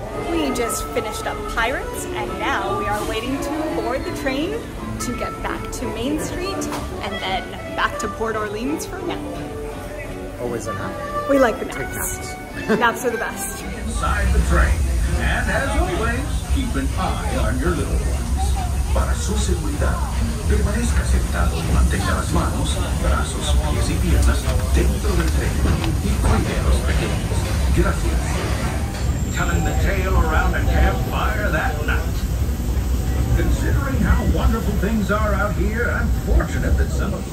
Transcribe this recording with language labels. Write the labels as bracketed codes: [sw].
[en] We just finished up Pirates, and now we are waiting to board the train to get back to Main Street and then back to Port Orleans for a nap. Always a nap. We like the naps. Take naps. Naps are the best. Inside the train. And as always, keep an eye on your little ones. [es] Para su seguridad, permanezca sentado y mantenga las manos, brazos, pies y piernas dentro del tren. Y cuide a los pequeños. Gracias. [en] Telling the tale around a campfire that night. Considering how wonderful things are out here, I'm fortunate that some of...